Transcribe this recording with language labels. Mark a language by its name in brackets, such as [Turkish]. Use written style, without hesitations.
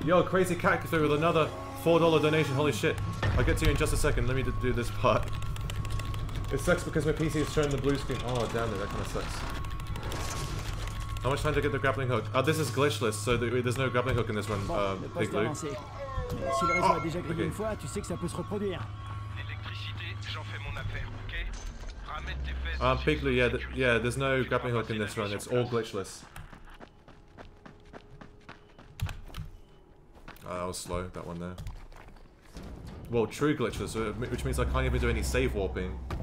[English] Yo, Crazy Cat through with another $4 donation, holy shit. I'll get to you in just a second, let me do this part. It sucks because my PC is showing the blue screen. Oh, damn it, that kind of sucks. How much time to get the grappling hook? Oh, this is glitchless, so there's no grappling hook in this one, Big Blue. [French] Si le réseau a déjà grillé une fois, tu sais que ça peut se reproduire. [English] Pigly, yeah, there's no grappling hook in this run, it's all glitchless. That was slow, that one there. Well, true glitchless, which means I can't even do any save warping.